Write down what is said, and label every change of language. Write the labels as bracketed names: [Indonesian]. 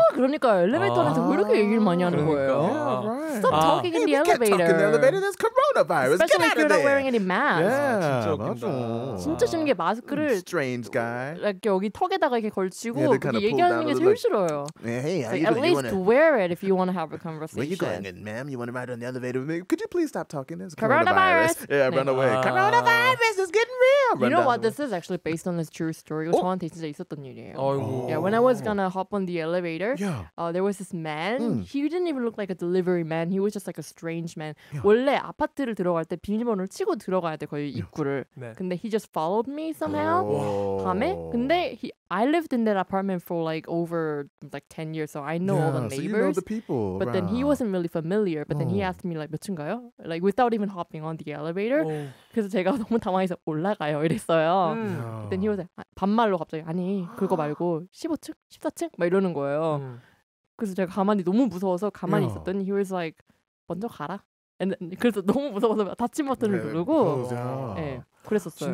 [Korean] 그러니까 엘리베이터에서 왜 이렇게 얘기를 많이 하는 거예요? [English] Yeah, right. Stop talking in the elevator. We can't talk in the elevator. There's coronavirus. Especially if you're not wearing any mask. Yeah, [Korean] 진짜 웃긴다. 게 마스크를 [English] strange guy. [Korean] 이렇게 여기 턱에다가 이렇게 걸치고 이렇게 얘기하는 게 제일 싫어요. [English] Hey, at least wear it if you want to have a conversation. Where you going, ma'am? You want to ride on the elevator with me? Could you please stop talking? There's coronavirus. Yeah, run away. Coronavirus is getting real. You know what? This is actually based on this true story. It was haunted. [Korean] 진짜 있었던 일이에요. [English] Yeah, when I was gonna hop on the elevator, there was this man. He didn't even look like a delivery man. He was just like a strange man. Yeah. [Korean] 원래 아파트를 들어갈 때 비밀번호를 치고 들어가야 돼 거의 입구를. 네. 근데 [English] he just followed me somehow. [Korean] 밤에. 근데 [English] I lived in that apartment for like over like 10 years, so I know all the neighbors. So you know the people. But then he wasn't really familiar. But then he asked me like [Korean] 몇 층가요? [English] Like without even hopping on the elevator. [Korean] 그래서 제가 너무 당황해서 올라가요 이랬어요. [English] Then he was like, [Korean] 반말로 갑자기 아니 그거 말고 15층? 14층? 막 이러는 거예요. 그래서 제가 가만히 너무 무서워서 가만히 있었더니 [English] he was like [Korean] 먼저 가라. [English] And then, [Korean] 그래서 너무 무서워서 닫힌 버튼을 누르고 그랬었어요.